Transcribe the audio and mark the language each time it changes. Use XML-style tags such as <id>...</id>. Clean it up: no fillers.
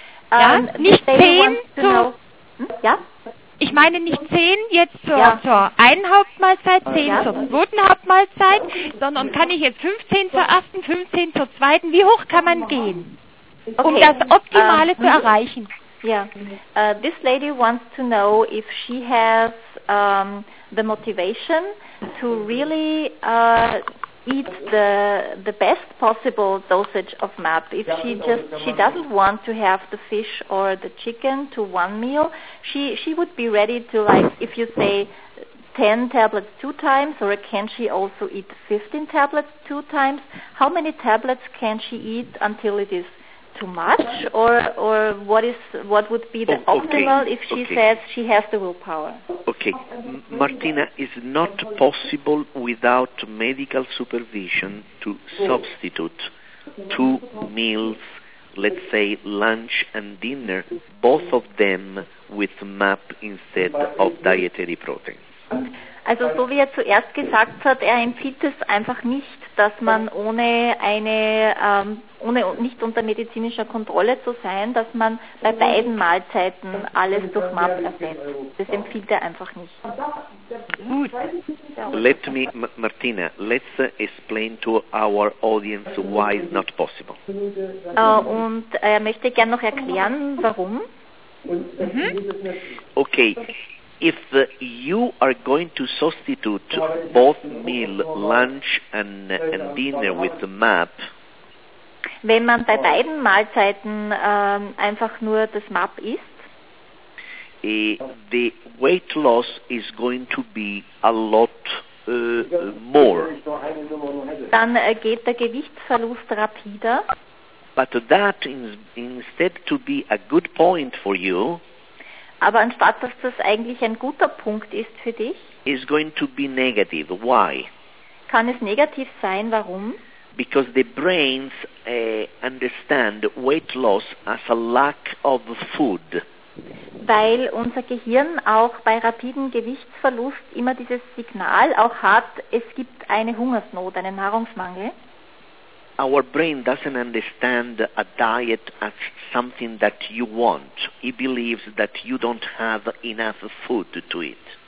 <de>Ja? Nicht 10 zu... Ja? Ich meine nicht 10 jetzt zur einen Hauptmahlzeit, 10 zur zweiten Hauptmahlzeit, sondern kann ich jetzt 15 zur ersten, 15 zur zweiten. Wie hoch kann man gehen, um das Optimale zu erreichen?</de> <en>Yeah, this lady wants to know if she has the motivation to really eat the best possible dosage of MAP. If she doesn't want to have the fish or the chicken to one meal, she would be ready to, like, if you say 10 tablets two times, or can she also eat 15 tablets two times? How many tablets can she eat until it is too much, or what would be the optimal if she says she has the willpower? Okay, Martina, is not possible without medical supervision to substitute two meals, let's say lunch and dinner, both of them with MAP instead of dietary protein.</en> <de>Also so wie er zuerst gesagt hat, er empfiehlt es einfach nicht, dass man ohne eine, ohne nicht unter medizinischer Kontrolle zu sein, dass man bei beiden Mahlzeiten alles durch MAP ersetzt. Das empfiehlt er einfach nicht. Gut.</de> <en>Let me, Martina, let's explain to our audience why it's not possible.</en> <de>Und er möchte gerne noch erklären, warum. Mhm. Okay.</de> <en>If you are going to substitute both meal, lunch and dinner with the MAP,</en> <de>wenn man bei beiden Mahlzeiten einfach nur das MAP isst,</de> <en>the weight loss is going to be a lot more.</en> <de>Dann geht der Gewichtsverlust rapider.</de> <en>But that instead to be a good point for you.</en> <de>Aber anstatt dass das eigentlich ein guter Punkt ist für dich,</de> <en>is going to be negative. Why?</en> <de>Kann es negativ sein, warum?</de> <en>Because the brains understand weight loss as a lack of food.</en> <de>Weil unser Gehirn auch bei rapidem Gewichtsverlust immer dieses Signal auch hat, es gibt eine Hungersnot, einen Nahrungsmangel.</de> <en>our brain doesn't understand a diet as something that you want. It believes that you don't have enough food to eat.</en>